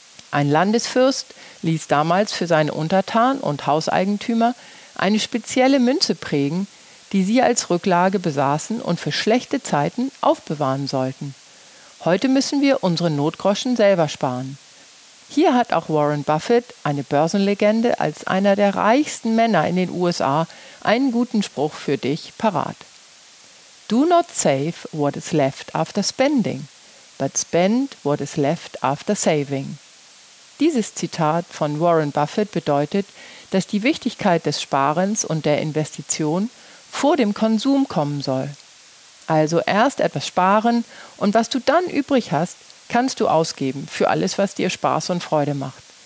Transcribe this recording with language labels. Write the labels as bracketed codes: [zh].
[de] Ein Landesfürst ließ damals für seine Untertanen und Hauseigentümer eine spezielle Münze prägen, die sie als Rücklage besaßen und für schlechte Zeiten aufbewahren sollten. Heute müssen wir unsere Notgroschen selber sparen. Hier hat auch Warren Buffett, eine Börsenlegende, als einer der reichsten Männer in den USA, einen guten Spruch für dich parat. [en] Do not save what is left after spending, but spend what is left after saving. [de] Dieses Zitat von Warren Buffett bedeutet, dass die Wichtigkeit des Sparens und der Investition vor dem Konsum kommen soll. Also erst etwas sparen und was du dann übrig hast, kannst du ausgeben für alles, was dir Spaß und Freude macht.